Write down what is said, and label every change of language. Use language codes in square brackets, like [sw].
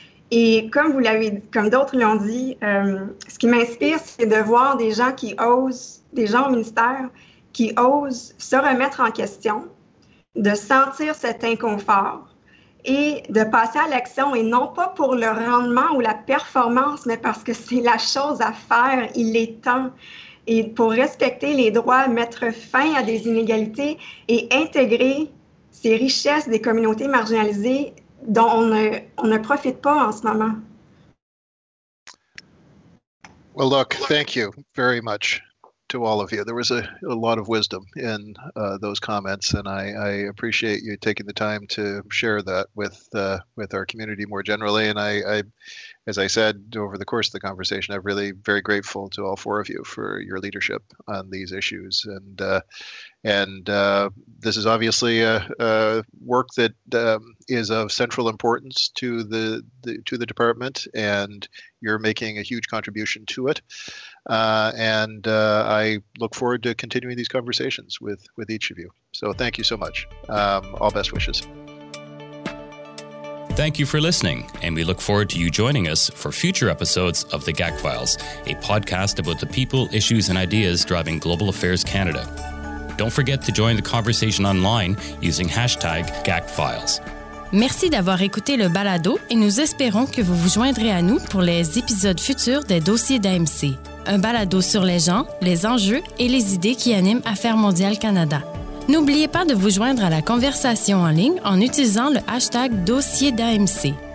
[fr] Et comme d'autres l'ont dit, ce qui m'inspire, c'est de voir des gens qui osent, des gens au ministère, qui osent se remettre en question, de sentir cet inconfort et de passer à l'action, et non pas pour le rendement ou la performance, mais parce que c'est la chose à faire, il est temps. Et pour respecter les droits, mettre fin à des inégalités et intégrer ces richesses des communautés marginalisées dont on ne profite pas en ce moment. [en] Well, look, thank you very much to all of you. There was a lot of wisdom in those comments, and I appreciate you taking the time to share that with our community more generally. And I as I said over the course of the conversation, I'm really very grateful to all four of you for your leadership on these issues. And this is obviously a work that is of central importance to the department, and you're making a huge contribution to it. And I look forward to continuing these conversations with each of you. So thank you so much. All best wishes. Thank you for listening, and we look forward to you joining us for future episodes of The GAC Files, a podcast about the people, issues, and ideas driving Global Affairs Canada. Don't forget to join the conversation online using hashtag GACFiles. [fr] Merci d'avoir écouté le balado, et nous espérons que vous vous joindrez à nous pour les épisodes futurs des dossiers d'AMC. Un balado sur les gens, les enjeux et les idées qui animent Affaires mondiales Canada. N'oubliez pas de vous joindre à la conversation en ligne en utilisant le hashtag #DossierDAMC.